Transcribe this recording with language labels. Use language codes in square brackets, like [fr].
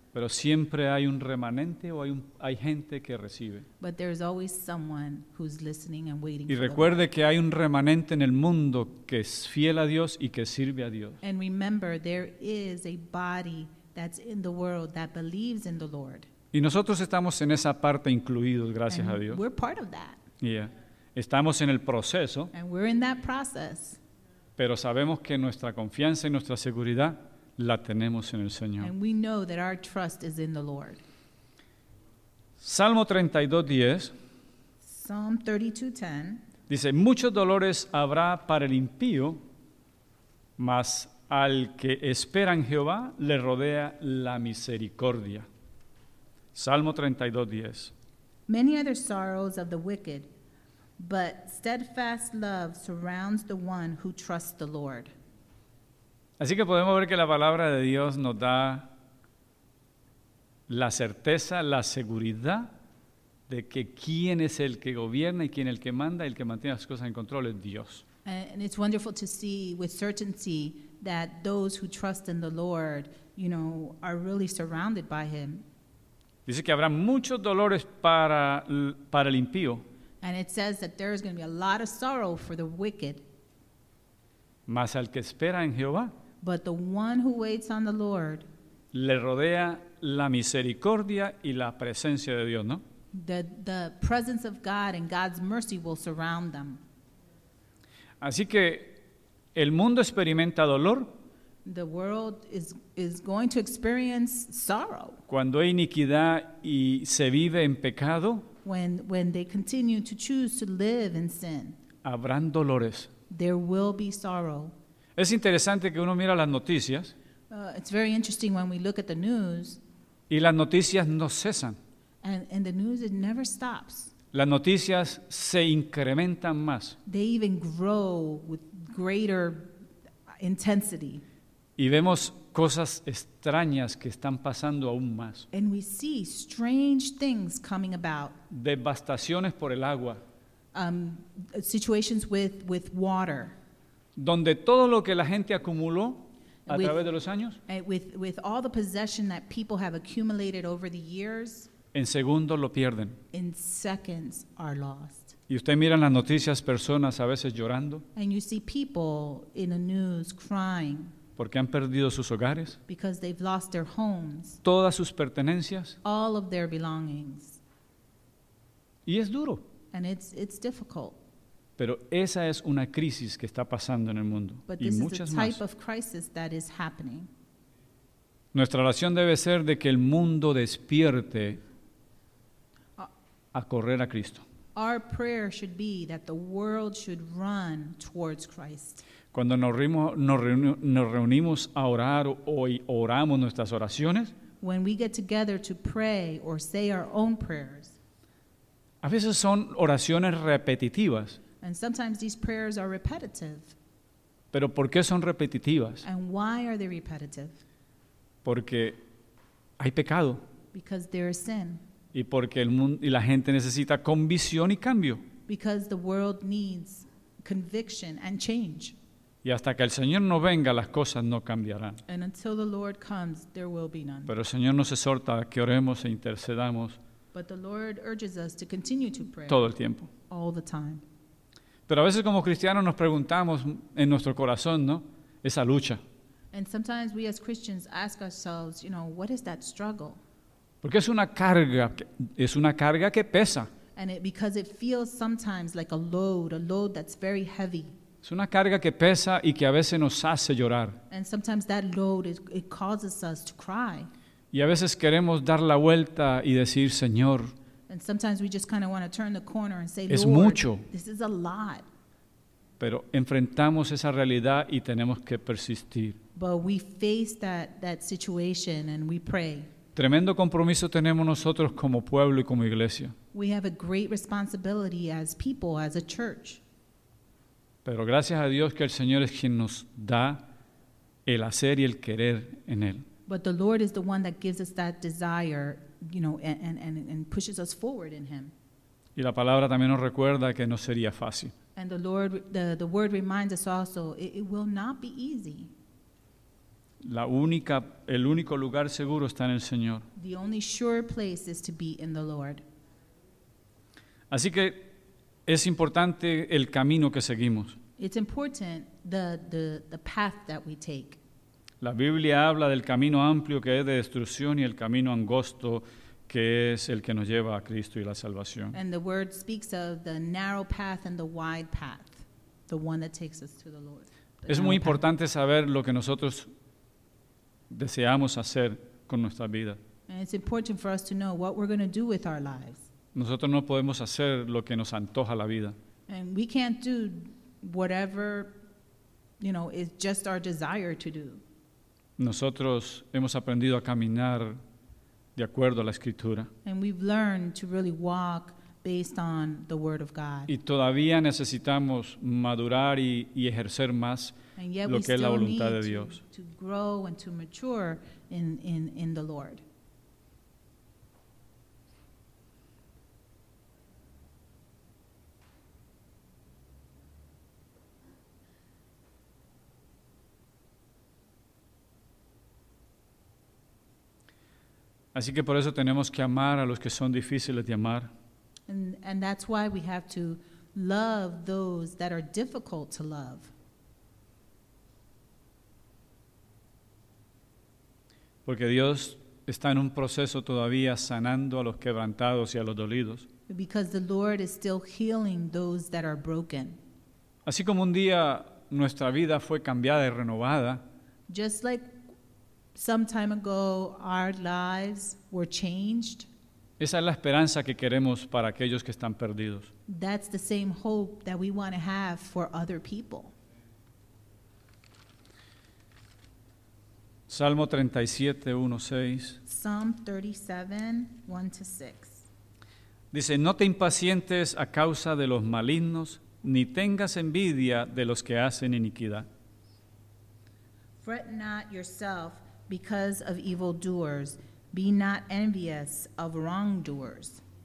[es] Pero siempre hay un remanente o hay gente que recibe. [en] But there is always someone who's listening and waiting. [es] Y recuerde que hay un remanente en el mundo que es fiel a Dios y que sirve a Dios. [en] And remember, there is a body that's in the world that believes in the Lord. [es] Y nosotros estamos en esa parte incluidos, gracias [en] and [es] a Dios. [en] We're part of that. [es] Yeah. Estamos en el proceso. [en] And we're in that process. [es] Pero sabemos que nuestra confianza y nuestra seguridad la tenemos en el Señor. [en] And we know that our trust is in the Lord. [es] Salmo 32:10. [en] Psalm 32:10. [es] Dice, muchos dolores habrá para el impío, mas al que espera en Jehová le rodea la misericordia. Salmo 32:10. [en] Many are the sorrows of the wicked, but steadfast love surrounds the one who trusts the Lord. [es] Así que podemos ver que la palabra de Dios nos da la certeza, la seguridad de que quién es el que gobierna y quién es el que manda y el que mantiene las cosas en control es Dios. [en] And it's wonderful to see with certainty that those who trust in the Lord, you know, are really surrounded by him. [es] Dice que habrá muchos dolores para el impío. [en] And it says that there is going to be a lot of sorrow for the wicked. [es] Mas al que espera en Jehová. [en] But the one who waits on the Lord. [es] Le rodea la misericordia y la presencia de Dios, ¿no? [en] The presence of God and God's mercy will surround them. [es] Así que el mundo experimenta dolor. [en] The world is going to experience sorrow. [es] Cuando hay iniquidad y se vive en pecado. [en] When they continue to choose to live in sin, [es] habrán dolores. [en] There will be sorrow. [es] Es interesante que uno mira las noticias. [en] It's very interesting when we look at the news. [es] Y las noticias no cesan. [en] And the news, it never stops. [es] Las noticias se incrementan más. [en] They even grow with greater intensity. [es] Y vemos cosas extrañas que están pasando aún más. [en] And we see strange things coming about. [es] Devastaciones por el agua. [en] Situations with water. [es] Donde todo lo que la gente acumuló a través de los años. [en] With all the possession that people have accumulated over the years. [es] En segundos lo pierden. [en] In seconds are lost. [es] Y usted mira en las noticias personas a veces llorando. [en] And you see people in the news crying. [es] Porque han perdido sus hogares. [en] Because they've lost their homes. [es] Todas sus pertenencias. [en] All of their belongings. [es] Y es duro. [en] And it's difficult. [es] Pero esa es una crisis que está pasando en el mundo. [en] But [es] y muchas más. [en] But this is a type of crisis that is happening. [es] Nuestra oración debe ser de que el mundo despierte a correr a Cristo. [en] Our prayer should be that the world should run towards Christ. [es] Cuando nos reunimos a orar o oramos nuestras oraciones, [en] when we get together to pray or say our own prayers, [es] a veces son oraciones repetitivas. [en] And sometimes these prayers are repetitive. [es] Pero ¿por qué son repetitivas? [en] And why are they repetitive? [es] Porque hay pecado. [en] Because there is sin. [es] Y porque el mundo y la gente necesita convicción y cambio. [en] Because the world needs conviction and change. [es] Y hasta que el Señor no venga, las cosas no cambiarán. [en] And until the Lord comes, there will be none. [es] Pero el Señor nos exhorta a que oremos e intercedamos. [en] But the Lord urges us to continue to pray. [es] Todo el tiempo. [en] All the time. [es] Pero a veces como cristianos nos preguntamos en nuestro corazón, ¿no? Esa lucha. [en] And sometimes we as Christians ask ourselves, you know, what is that struggle? [es] Porque es una carga que pesa. [en] And because it feels sometimes like a load that's very heavy. [es] Es una carga que pesa y que a veces nos hace llorar. [en] And sometimes that load it causes us to cry. [es] Y a veces queremos dar la vuelta y decir, Señor. [en] And sometimes we just kind of want to turn the corner and say, Lord, [es] es mucho. [en] This is a lot. [es] Pero enfrentamos esa realidad y tenemos que persistir. [en] But we face that situation and we pray. [es] Tremendo compromiso tenemos nosotros como pueblo y como iglesia. [en] We have a great responsibility as people, as a church. [es] Pero gracias a Dios que el Señor es quien nos da el hacer y el querer en Él. [en] But the Lord is the one that gives us that desire, you know, and pushes us forward in Him. [es] Y la palabra también nos recuerda que no sería fácil. [en] And the Lord, the word reminds us also, it will not be easy. [es] La única, el único lugar seguro está en el Señor. [en] The only sure place is to be in the Lord. [es] Así que es importante el camino que seguimos. [en] It's important the path that we take. [es] La Biblia habla del camino amplio que es de destrucción y el camino angosto que es el que nos lleva a Cristo y la salvación. [en] And the word speaks of the narrow path and the wide path, the one that takes us to the Lord. [es] Es muy importante saber lo que nosotros deseamos hacer con nuestra vida. [en] And it's important for us to know what we're going to do with our lives. [es] Nosotros no podemos hacer lo que nos antoja la vida. [en] And we can't do whatever, you know, is just our desire to do. [es] Nosotros hemos aprendido a caminar de acuerdo a la Escritura. [en] And we've learned to really walk based on the Word of God. [es] Y todavía necesitamos madurar y ejercer más lo que es la voluntad de Dios. [en] And yet we still need to grow and to mature in the Lord. [es] Así que por eso tenemos que amar a los que son difíciles de amar. [en] And that's why we have to love those that are difficult to love. [es] Porque Dios está en un proceso todavía sanando a los quebrantados y a los dolidos. [en] Because the Lord is still healing those that are broken. [es] Así como un día nuestra vida fue cambiada y renovada. [en] Just like some time ago, our lives were changed. [es] Esa es la esperanza que queremos para aquellos que están perdidos. [en] That's the same hope that we want to have for other people. [es] Salmo 37:1-6. [en] Psalm 37:1-6. [es] Dice, no te impacientes a causa de los malignos, ni tengas envidia de los que hacen iniquidad. [en] Fret not yourself because of evildoers, be not envious of wrongdoers.